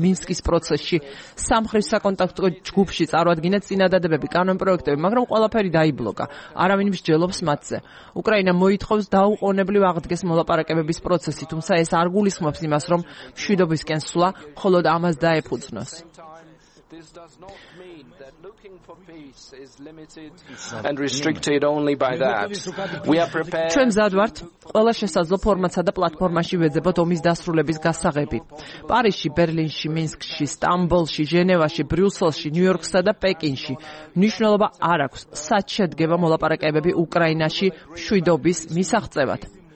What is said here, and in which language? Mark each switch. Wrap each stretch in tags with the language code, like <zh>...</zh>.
<ka>მინსკის პროცესში სამხრივ საკონტაქტო ჯგუფში წარუადგინა წინადადებები, კანონპროექტები, მაგრამ ყველაფერი დაიბლოკა. არავინ მსჯელობს მათზე. უკრაინა მოითხოვს დაუყოვნებლივ აღდგეს მოლაპარაკებების პროცესი, თუმცა ეს არ გულისხმობს იმას, რომ მშვიდობისკენ სვლა მხოლოდ ამას დაეფუძნოს.</ka> <en>This does not mean that looking for peace is limited and restricted only by that. We are prepared.</en> <ka>ჩვენ ზადვართ ყველა შესაძლო ფორმატსა და პლატფორმაში ვეძებოთ ომის დასრულების გასაღები. პარიზში, ბერლინში, მინსკში, სტამბოლში, ჟენევაში, ბრიუსელში, ნიუ-იორკსა და პეკინში მნიშვნელობა არ აქვს. სად შედგება მოლაპარაკებები უკრაინაში მშვიდობის მისაღწევად?</ka>